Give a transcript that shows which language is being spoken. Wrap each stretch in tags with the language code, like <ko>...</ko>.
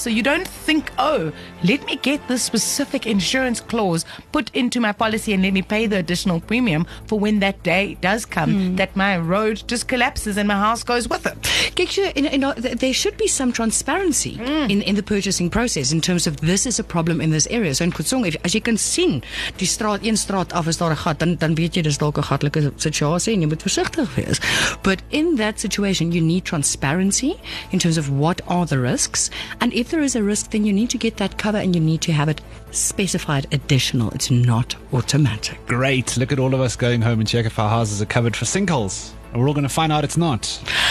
<en>So you don't think, oh, let me get this specific insurance clause put into my policy and let me pay the additional premium for when that day does come that my road just collapses and my house goes with it. There should be some transparency in the purchasing process in terms of this is a problem in this area. So in Kutsong, as you can see,</en> <af>die straat, een straat af is daar 'n gat, dan weet jy dis dalk 'n gatlike situasie en jy moet versigtig wees.</af> <en>But in that situation, you need transparency in terms of what are the risks, and if there is a risk, then you need to get that cover and you need to have it specified additional. It's not automatic. Great. Look at all of us going home and check if our houses are covered for sinkholes, and we're all going to find out it's not.</en>